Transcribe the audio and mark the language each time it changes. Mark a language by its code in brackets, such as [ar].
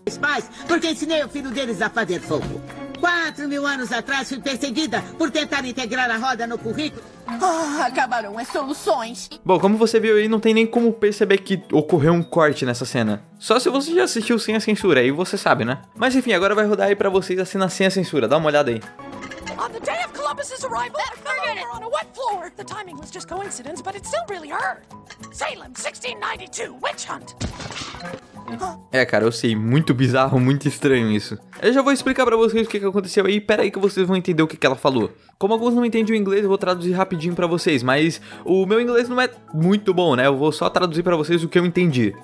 [pt] Pais, porque ensinei o filho deles a fazer fogo. 4 mil anos atrás, fui perseguida por tentar integrar a roda no currículo. Ah, acabaram as soluções. Bom, como você viu aí, não tem nem como perceber que ocorreu um corte nessa cena. Só se você já assistiu sem a censura, aí você sabe, né? Mas enfim, agora vai rodar aí pra vocês a cena sem a censura. Dá uma olhada aí. [en] On the day of Columbus's arrival, that fellow were on a wet floor. The timing was just coincidence, but it still really hurt. Salem, 1692, witch hunt. [pt] É, cara, eu sei, muito bizarro, muito estranho isso. Eu já vou explicar pra vocês o que aconteceu aí, pera aí que vocês vão entender o que ela falou. Como alguns não entendem o inglês, eu vou traduzir rapidinho pra vocês, mas o meu inglês não é muito bom, né? Eu vou só traduzir pra vocês o que eu entendi.